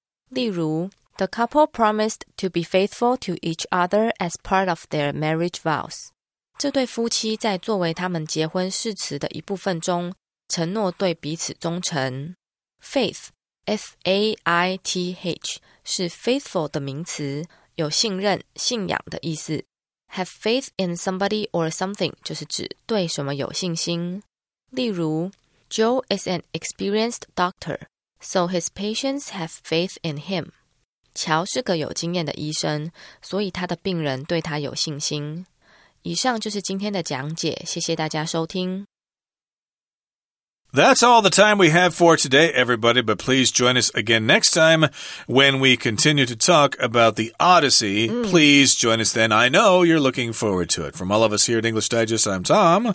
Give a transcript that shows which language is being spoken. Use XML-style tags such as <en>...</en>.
<zh>例如</zh> <en>,The couple promised to be faithful to each other as part of their marriage vows.</en> <zh>这对夫妻在作为他们结婚誓词的一部分中承诺对彼此忠诚。 Faith, F-A-I-T-H, 是 faithful 的名词有信任、信仰的意思。</zh> <en>Have faith in somebody or something</en> <zh>就是指对什么有信心。例如</zh> <en>Joe is an experienced doctor, so his patients have faith in him.</en> <zh>乔是个有经验的医生,所以他的病人对他有信心。以上就是今天的讲解,谢谢大家收听。</zh> <en>That's all the time we have for today, everybody, but please join us again next time when we continue to talk about the Odyssey. Please join us then. I know you're looking forward to it. From all of us here at English Digest, I'm Tom.</en>